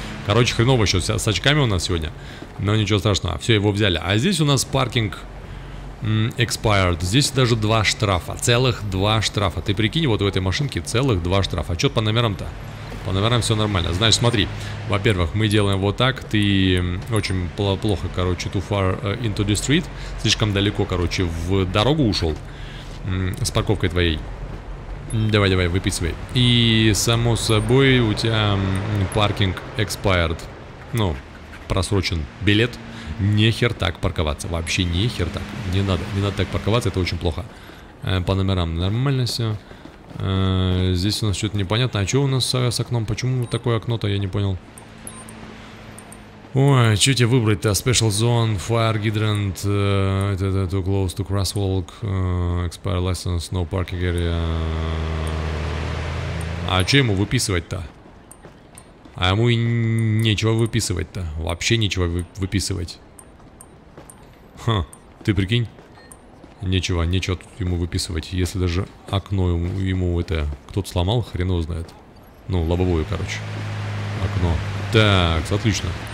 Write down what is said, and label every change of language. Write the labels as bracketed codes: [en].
[ru] Короче, хреново еще с очками у нас сегодня. Но ничего страшного, все, его взяли. А здесь у нас паркинг [en] expired. [ru] Здесь даже два штрафа, целых два штрафа. Ты прикинь, вот в этой машинке целых два штрафа. А что по номерам-то? По номерам все нормально. Значит, смотри, во-первых, мы делаем вот так. Ты очень плохо, короче, [en] too far into the street. [ru] Слишком далеко, короче, в дорогу ушел с парковкой твоей. Давай, выписывай. И, само собой, у тебя паркинг [en] expired. [ru] Ну, просрочен билет. Нехер так парковаться. Вообще нехер так. Не надо так парковаться, это очень плохо. По номерам нормально все. Здесь у нас что-то непонятно. А что у нас с окном? Почему такое окно-то, я не понял. Ой, что тебе выбрать-то? [en] Special zone, fire hydrant, too close to crosswalk, expired license, no parking area. [ru] А что ему выписывать-то? А ему и нечего выписывать-то. Вообще нечего выписывать. Ха, ты прикинь? Нечего тут ему выписывать. Если даже окно ему это кто-то сломал, хрен его знает. Ну, лобовое, короче. Окно. Так, отлично.